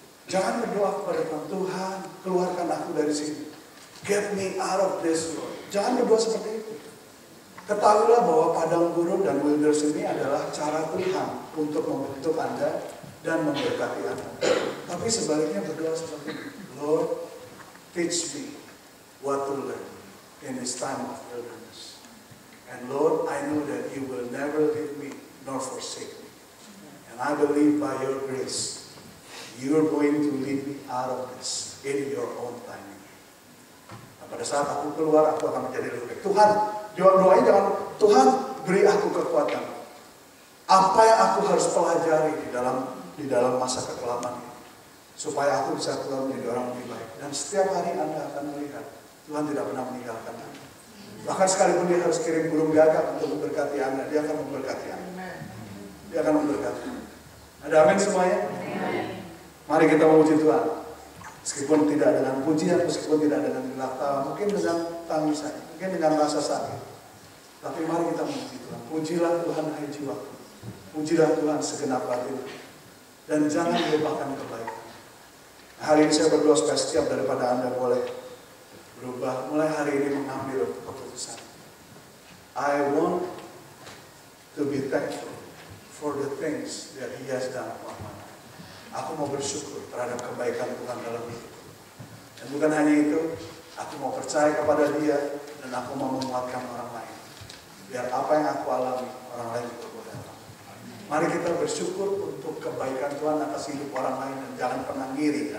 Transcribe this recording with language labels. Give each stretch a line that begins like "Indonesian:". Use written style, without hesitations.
Indonesian: Jangan berdoa kepada Tuhan, Tuhan keluarkan aku dari sini.
English: Get me out of this world.
Indonesian: Jangan berdoa seperti itu. Ketahuilah bahwa padang gurun dan wilderness ini adalah cara Tuhan untuk membentuk Anda dan memberkati Anda. Tapi sebaliknya berdoa seperti ini.
English: Lord, teach me what to learn in this time of wilderness. And Lord, I know that you will never leave me nor forsake me. And I believe by your grace, you're going to lead me out of this in your own timing.
Indonesian: Nah, pada saat aku keluar, aku akan menjadi lebih baik. Tuhan, doanya jangan, Tuhan beri aku kekuatan. Apa yang aku harus pelajari di dalam masa kegelapan ini, supaya aku bisa keluar menjadi orang lebih baik. Dan setiap hari Anda akan melihat, Tuhan tidak pernah meninggalkan Anda. Bahkan sekalipun dia harus kirim burung gagak untuk memberkati Anda, dia akan memberkati Anda. Dia akan memberkati Anda. Ada amin semuanya? Mari kita memuji Tuhan, meskipun tidak dengan pujian, meskipun tidak dengan gelak tawa, mungkin dengan tangisan, mungkin dengan rasa sakit. Tapi mari kita memuji Tuhan, pujilah Tuhan hai jiwaku, pujilah Tuhan segenap hatimu, dan jangan melupakan kebaikan. Hari ini saya berdoa supaya setiap daripada Anda boleh berubah, mulai hari ini mengambil keputusan.
English: I want to be thankful for the things that He has done for me.
Indonesian: Aku mau bersyukur terhadap kebaikan Tuhan dalam hidupku. Dan bukan hanya itu, aku mau percaya kepada Dia dan aku mau menguatkan orang lain. Biar apa yang aku alami, orang lain juga boleh alami. Mari kita bersyukur untuk kebaikan Tuhan atas hidup orang lain dan jangan pernah ngiri.